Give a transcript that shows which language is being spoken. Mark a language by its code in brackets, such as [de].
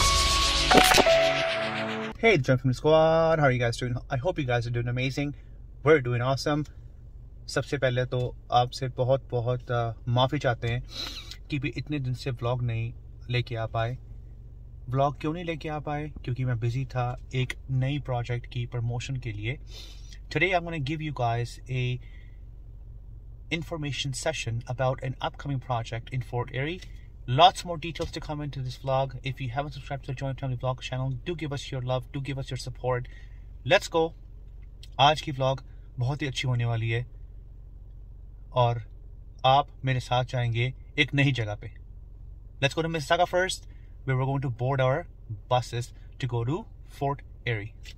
[en] Hey, the Jump from the Squad. How are you guys doing? I hope you guys are doing amazing. We're doing awesome. [hi] सबसे पहले तो आपसे बहुत बहुत माफ़ी चाहते हैं कि भी इतने दिन से व्लॉग नहीं लेके आ पाए. व्लॉग क्यों नहीं लेके आ पाए? क्योंकि मैं बिज़ी था एक नई प्रोजेक्ट की प्रमोशन के लिए. [en] Today I am gonna give you guys a information session about an upcoming project in Fort Erie. Lots more details to come into this vlog. If you haven't subscribed to the Joint Family Vlog channel, do give us your love, do give us your support. Let's go. [hi] आज की vlog बहुत ही अच्छी होने वाली है और आप मेरे साथ जाएंगे एक नई जगह पे. [en] Let's go to Mississauga first. We were going to board our buses to go to Fort Erie.